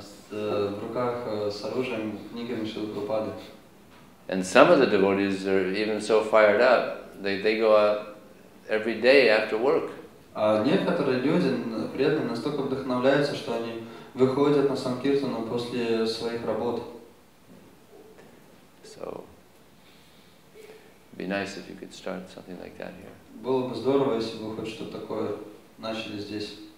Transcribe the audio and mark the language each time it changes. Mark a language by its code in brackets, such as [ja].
[ru] В руках с оружием книгами Шрилы Прабхупады. [en] And some of the devotees are even so fired up, they go out every day after work. [ru] А некоторые люди преданные настолько вдохновляются, что они выходят на санкиртану после своих работ. [en] So be nice if you could start something like that here. [ru] Было бы здорово, если бы хоть что-то такое начали здесь.